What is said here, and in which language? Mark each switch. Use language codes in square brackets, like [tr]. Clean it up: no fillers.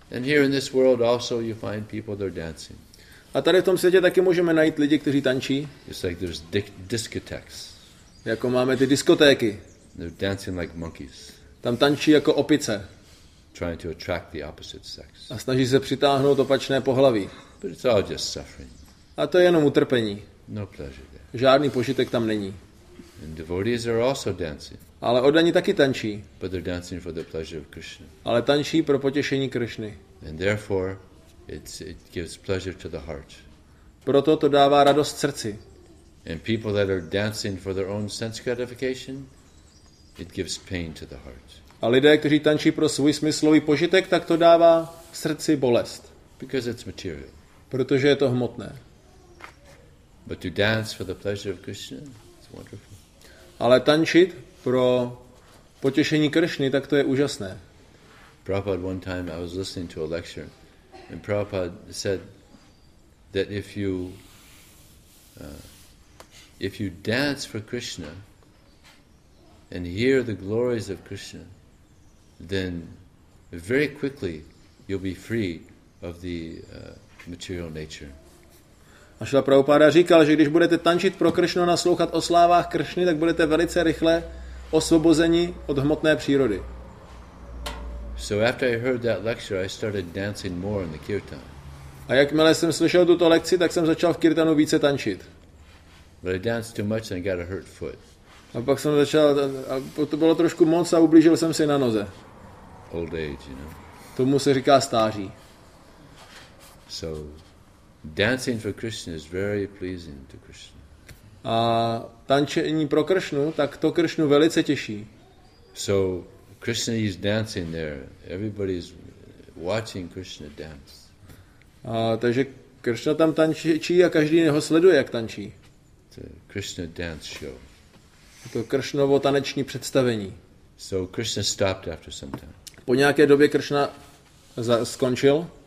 [en] And here in this world also you find people that are dancing. [cs] A tady v tom světě taky můžeme najít lidi, kteří tančí. [en] It's like there's discotheques. [cs] Jako máme ty diskotéky. [en] They're dancing like monkeys. [cs] Tam tančí jako opice. [en] Trying to attract the opposite sex. [cs] A snaží se přitáhnout opačné pohlaví. [en] But it's all just suffering. [cs] A to je jenom utrpení. [en] No pleasure there. [cs] Žádný požitek tam není. [en] And devotees are also dancing. [cs] Ale oddaní taky tančí. [en] But they're dancing for the pleasure of Krishna. [cs] Ale tančí pro potěšení Krishny. [en] And therefore, it gives pleasure to the heart. [cs] Proto to dává radost srdci. [en] And people that are dancing for their own sense gratification, it gives pain to the heart. [cs] A lidé, kteří tančí pro svůj smyslový požitek, tak to dává srdci bolest. [en] Because it's material. [cs] Protože je to hmotné. [en] But to dance for the pleasure of Krishna, it's wonderful. [cs] Ale tančit pro potěšení Krishny, tak to je úžasné. [en] Prabhupada, one time I was listening to a lecture, and Prabhupada said that if you dance for Krishna and hear the glories of Krishna, then very quickly you'll be free of the material nature. [cs] A Šila Prabhupada říkal, že když budete tančit pro Krishnu a naslouchat o slávách Krishny, tak budete velice rychle osvobozeni od hmotné přírody. [en] So after I heard that lecture, I started dancing more in the kirtan. [cs] A jakmile jsem slyšel tuto lekci, tak jsem začal v kirtanu více tančit. [en] But I danced too much and got a hurt foot. [cs] A pak jsem začal, a to bylo trošku moc a ublížil jsem si na noze. [en] Old age, you know. [cs] Tomu se říká stáří. [en] So dancing for Krishna is very pleasing to Krishna. [cs] A tančení pro Krishnu, tak to Krishnu velice těší. [en] So Krishna is dancing there. Everybody is watching Krishna dance. [cs] A takže Krishna tam tančí a každý ho sleduje, jak tančí. [en] To Krishna dance show. [cs] To Krishnovo taneční představení. [en] So Krishna stopped after some time. [cs] Po nějaké době Krishna skončil.